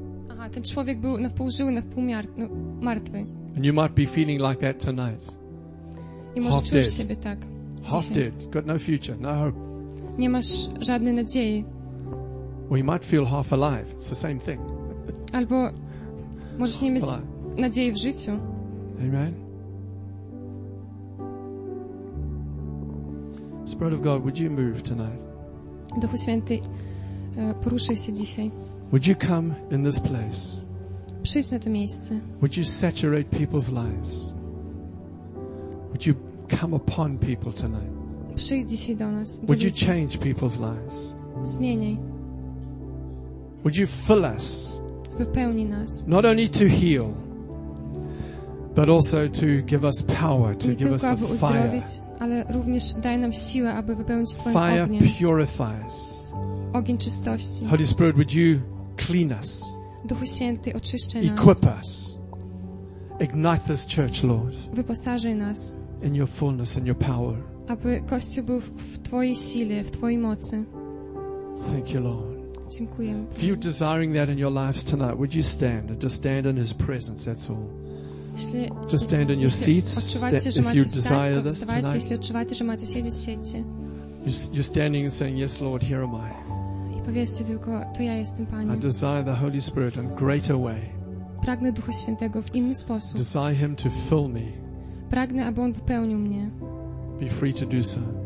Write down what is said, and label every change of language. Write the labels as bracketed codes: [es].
[pl] Aha, ten człowiek był na wpół żyły, na wpół martwy. [en] And you might be feeling like that tonight. [pl] I może czujesz siebie tak. [en] Half dead, got no future, no hope. [pl] Nie masz żadnej nadziei. [en] Or you might feel half alive. It's the same thing. [pl] Albo możesz nie mieć nadziei w życiu. [en] Amen. Spirit of God, would you move tonight? [pl] Duchu Święty, poruszaj się dzisiaj. [en] Would you come in this place? [pl] Przyjdź na to miejsce. [en] Would you saturate people's lives? Would you come upon people tonight? [pl] Przyjdź dzisiaj do nas. [en] Would you change people's lives? [pl] Zmieniaj. [en] Would you fill us? [pl] Wypełnij nas. [en] Not only to heal, but also to give us power, to [pl] nie [en] give us the fire. [pl] Ale również daj nam siłę, aby wypełnić Twoim [en] fire [pl] ogniem. [en] Fire purifies. [pl] Ogień czystości. [en] Holy Spirit, would you clean us? [pl] Duchu Święty, oczyszczaj nas. [en] Equip us. Ignite this church, Lord. [pl] Wyposażaj nas. [en] In your fullness and your power. [pl] Aby Kościół był w Twojej sile, w Twojej mocy. [en] Thank you, Lord. [pl] Dziękuję. [en] If you're desiring that in your lives tonight, would you stand? Just stand in His presence, that's all. Just stand in your seats. If you desire this tonight. [pl] Jeśli odczuwacie, że macie siedzieć, siedźcie. [en] You're standing and saying, yes, Lord, here am I. [pl] I powiedzcie tylko, to ja jestem, Panie. [en] I desire the Holy Spirit in a greater way. [pl] Pragnę Ducha Świętego w inny sposób. [en] Desire Him to fill me. [pl] Pragnę, aby On wypełnił mnie. [en] Be free to do so.